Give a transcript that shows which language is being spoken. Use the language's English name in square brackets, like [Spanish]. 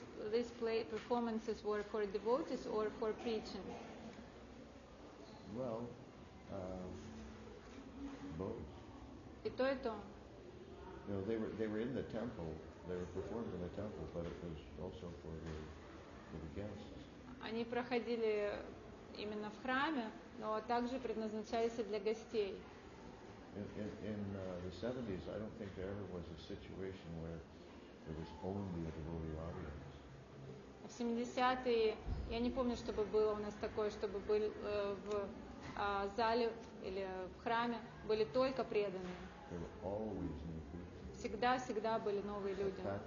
[English] This play performances were for devotees or for preaching? Well, both. [Russian] И то, и то. [English] No, they were in the temple. They were performed in the temple, but it was also for the guests. [Russian] Они проходили именно в храме, но также предназначались для гостей. [English] In the 70s, I don't think there ever was a situation where there was only a devotee audience. [Russian] В 70-е, я не помню, чтобы было у нас такое, чтобы были в зале или в храме были только преданные. [English] There were always new people. [Russian] Всегда-всегда были новые люди.